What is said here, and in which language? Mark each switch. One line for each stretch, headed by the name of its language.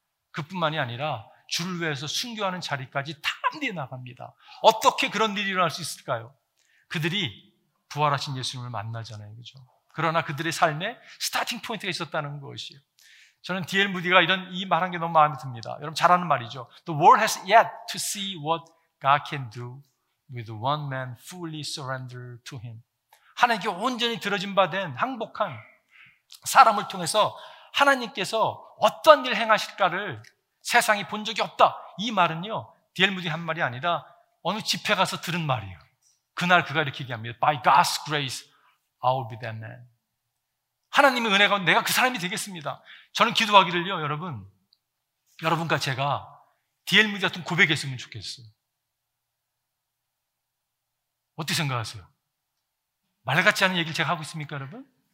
Korean: 그뿐만이 아니라 주를 위해서 순교하는 자리까지 담대히 나갑니다. 어떻게 그런 일이 일어날 수 있을까요? 그들이 부활하신 예수님을 만나잖아요. 그렇죠? 그러나 그들의 삶에 스타팅 포인트가 있었다는 것이에요. 저는 DL 무디가 이런 이 말한 게 너무 마음에 듭니다. 여러분 잘 아는 말이죠.
English: The world has yet to see what God can do with one man fully surrendered to him.
Korean: 하나님께 온전히 드려진 바 된 항복한 사람을 통해서 하나님께서 어떤 일 행하실까를 세상이 본 적이 없다. 이 말은요. DL 무디 한 말이 아니라 어느 집회 가서 들은 말이에요. 그날 그가 이렇게 얘기합니다.
English: By God's grace, I will be that man.
Korean: 하나님의 은혜가 내가 그 사람이 되겠습니다. 저는 기도하기를요, 여러분. 여러분과 제가 DL무디 같은 고백했으면 좋겠어요. 어떻게 생각하세요? 말 같지 않은 얘기를 제가 하고 있습니까, 여러분?